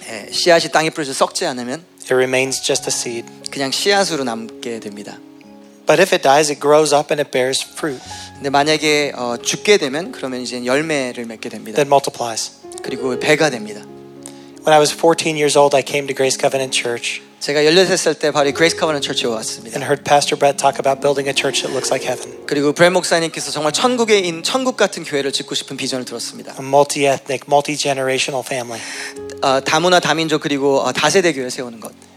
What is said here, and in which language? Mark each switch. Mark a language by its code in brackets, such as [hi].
[ko] 씨앗이 땅에 뿌려져 썩지 않으면 [en] it remains just a seed. [ko] 그냥 씨앗으로 남게 됩니다. [en] But if it dies, it grows up and it bears fruit. [ko] 근데 만약에 죽게 되면 그러면 이제 열매를 맺게 됩니다. [en] Then multiplies. [ko] 그리고 배가 됩니다. [en] When I was 14 years old, I came to Grace Covenant Church. [ko] 제가 16살 때 바로 Grace Covenant Church에 왔습니다. [en] And heard Pastor Brett talk about building a church that looks like heaven. [ko] 그리고 브렛 목사님께서 정말 천국에 있는 천국 같은 교회를 짓고 싶은 비전을 들었습니다. [en] A multi-ethnic, multi-generational family. [ko] 다문화 다민족 그리고 다세대 교회 세우는 것.